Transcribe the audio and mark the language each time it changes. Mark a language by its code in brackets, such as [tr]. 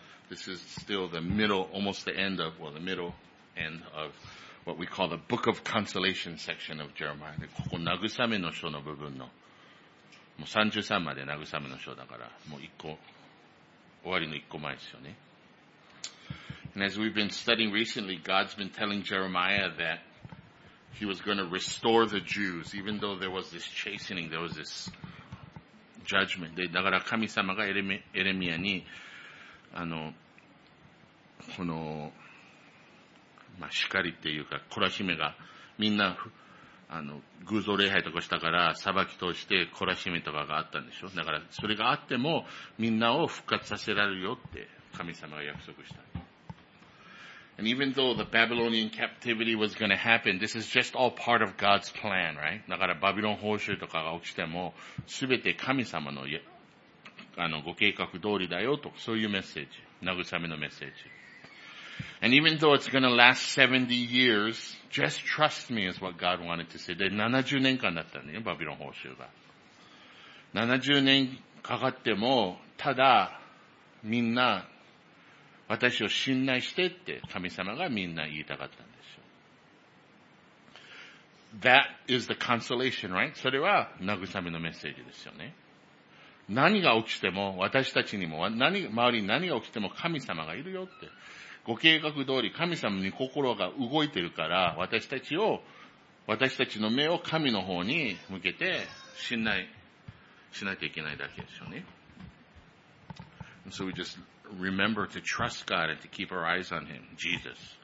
[en] This is still the middle, almost the end of, well the middle end of what we call the Book of Consolation section of Jeremiah. [ja] ここ慰めの書の部分の、もう33まで慰めの書だから、もう一個、終わりの一個前ですよね。 [en] And as we've been studying recently, God's been telling Jeremiah that He was going to restore the Jews, even though there was this chastening, there was this judgment. [ja] で、だから神様がエレミアに、この、まあ、叱りっていうか、懲らしめが、みんな、偶像礼拝とかしたから、裁き通して懲らしめとかがあったんでしょ。だから、それがあっても、みんなを復活させられるよって、神様が約束した。 [en] And even though the Babylonian captivity was going to happen, this is just all part of God's plan, right? [ja] だから、バビロン報酬とかが起きても、すべて神様の、ご計画通りだよと、そういうメッセージ。慰めのメッセージ。 [en] And even though it's going to last 70 years, just trust me is what God wanted to say. [ja] で、70年間だったんだよ、バビロン報酬が。 70年かかっても、ただ、みんな、私を信頼してって、神様がみんな言いたかったんですよ。 [en] That is the consolation, right? [ja] それは慰めのメッセージですよね。何が起きても、私たちにも、周りに何が起きても神様がいるよって。ご計画通り神様に心が動いてるから、私たちの目を神の方に向けて信頼しなきゃいけないだけですよね。 [en] So we just remember to trust God and to keep our eyes on Him, Jesus.